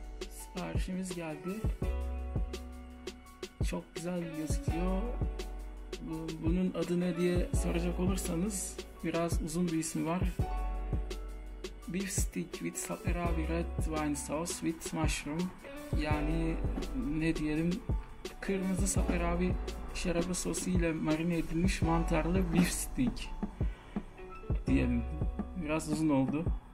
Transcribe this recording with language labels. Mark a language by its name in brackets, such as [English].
[Turkish] Siparişimiz geldi. Çok güzel gözüküyor. Bunun adı ne diye soracak olursanız biraz uzun bir ismi var. [English] Beef steak with sapphire red wine sauce with mushroom. [Turkish] Yani ne diyelim? Kırmızı sapphire şarabı sosu ile marine edilmiş mantarlı beef steak diyelim. Biraz uzun oldu.